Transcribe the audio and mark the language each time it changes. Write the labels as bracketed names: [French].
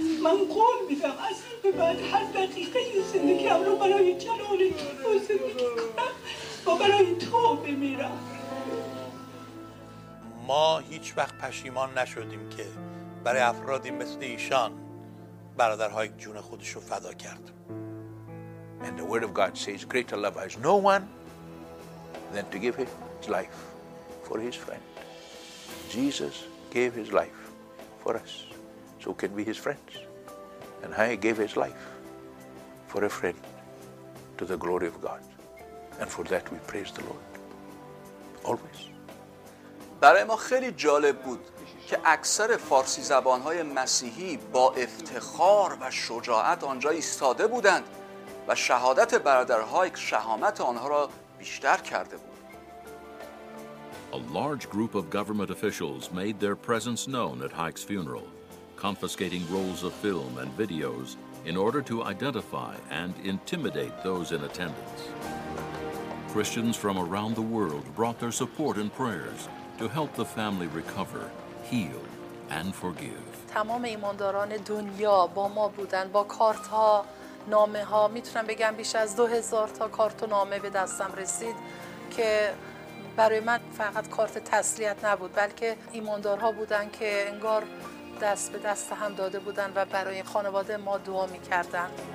[Persian] من قول میدم از این به بعد هر دقیقه زندگیم رو برای جلال تو زندگی کنم و برای تو بمیرم. ما هیچ وقت پشیمان نشدیم که برای افرادی مثل ایشان برادرهای جون خودش رو فدا کرد. [English] And the word of God says greater love has no one than to give his life for his friend. Jesus gave his life for us, so can we his friends. And I gave his life for a friend to the glory of God. And for that we praise the Lord. Always. [Persian] برای ما خیلی جالب بود که اکثر فارسی زبانهای مسیحی با افتخار و شجاعت آنجا ایستاده بودند و شهادت برادرهای شهامت آنها را بیشتر کرده بود. [English] A large group of government officials made their presence known at Hike's funeral, confiscating rolls of film and videos in order to identify and intimidate those in attendance. Christians from around the world brought their support and prayers to help the family recover, heal, and forgive. [Persian] تمام ایمانداران دنیا با ما بودند، با کارت‌ها، نامه‌ها. میتونم بگم بیش از 2000 تا کارت و نامه به دستم رسید که برای من فقط کارت تسلیت نبود، بلکه ایماندارها بودند که انگار دست به دست هم داده بودند و برای خانواده ما دعا می‌کردند.